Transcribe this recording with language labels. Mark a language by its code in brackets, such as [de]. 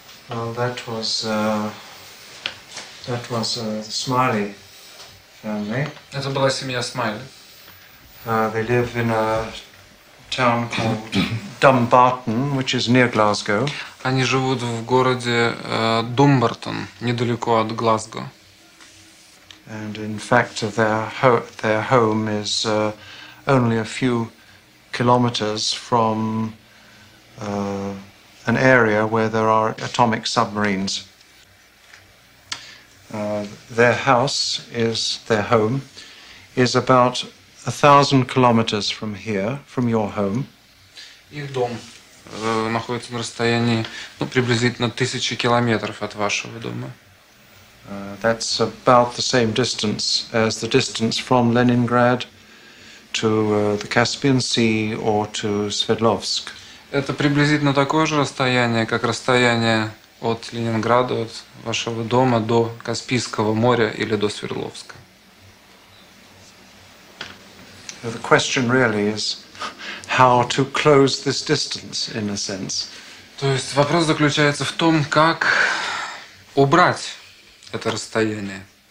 [en] Well, that was the Smiley family. It's a blessing, yes, Smiley. They live in a town called Dumbarton, which is near Glasgow. [ru] Они живут в городе Думбартон, недалеко от Глазго. [en] And in fact, their home is only a few kilometers from an area where there are atomic submarines. Their house is, their home, is about 1,000 kilometers from here, from your home. [ru] Их дом находится на расстоянии, ну, приблизительно 1,000 километров от вашего дома. [en] That's about the same distance as the distance from Leningrad to the Caspian Sea or to Sverdlovsk. [ru] Это приблизительно такое же расстояние, как расстояние от Ленинграда, от вашего дома до Каспийского моря или до Свердловска. [en] The question really is how to close this distance, in a sense. [ru] То есть вопрос заключается в том, как убрать это расстояние.